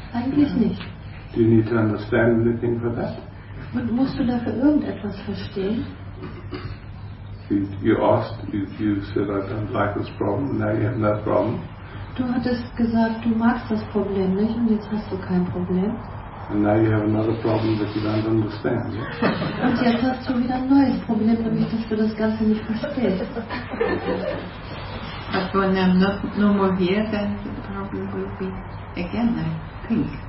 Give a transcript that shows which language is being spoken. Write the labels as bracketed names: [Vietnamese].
[English] Do you need to understand anything for that? [German] Und musst du dafür irgendetwas verstehen? [English] You said I don't like this problem, now you have no problem. [German] Du hattest gesagt, du magst das Problem nicht und jetzt hast du kein Problem. [English] And now you have another problem that you don't understand, yeah? [German] Und jetzt hast du wieder ein neues Problem, nämlich dass du das Ganze nicht verstehst. [English] But when I'm not no more here, then the problem will be again, I think.